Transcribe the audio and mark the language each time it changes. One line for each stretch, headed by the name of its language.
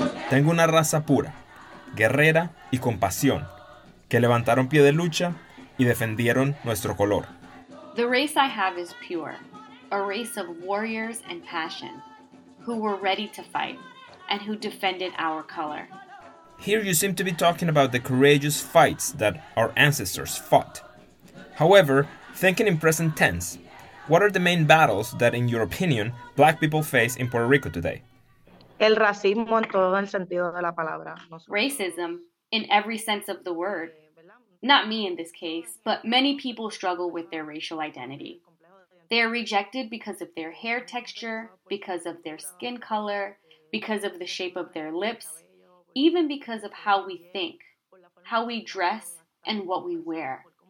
Spanish: Tengo una raza pura, guerrera y con pasión, que levantaron pie de lucha y defendieron nuestro color.
English: The race I have is pure, a race of warriors and passion, who were ready to fight and who defended our color. Here you seem to be talking about the courageous fights that our ancestors fought. However, thinking in present tense, what are the main battles that, in your opinion, black people face in Puerto Rico today?
Spanish: El racismo en todo el sentido de la palabra.
English: Racism, in every sense of the word. Not me in this case, but many people struggle with their racial identity. They are rejected because of their hair texture, because of their skin color, because of the shape of their lips, even because of how we think, how we dress, and what we wear.